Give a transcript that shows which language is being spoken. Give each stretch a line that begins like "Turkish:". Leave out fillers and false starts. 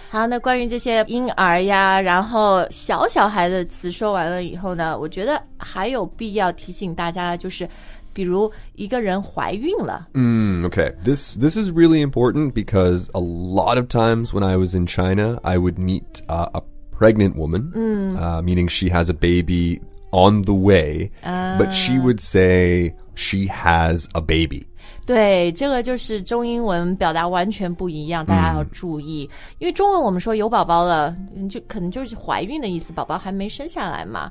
Chinese: 好，那关于这些婴儿呀，然后小小孩的词说完了以后呢，我觉得还有必要提醒大家，就是。比如一个人怀孕了。
English: Okay. This is really important because a lot of times when I was in China, I would meet a pregnant woman, meaning she has a baby on the way, but she would say she has a baby.
Chinese: 对，这个就是中英文表达完全不一样，大家要注意。因为中文我们说有宝宝了，就可能就是怀孕的意思，宝宝还没生下来嘛。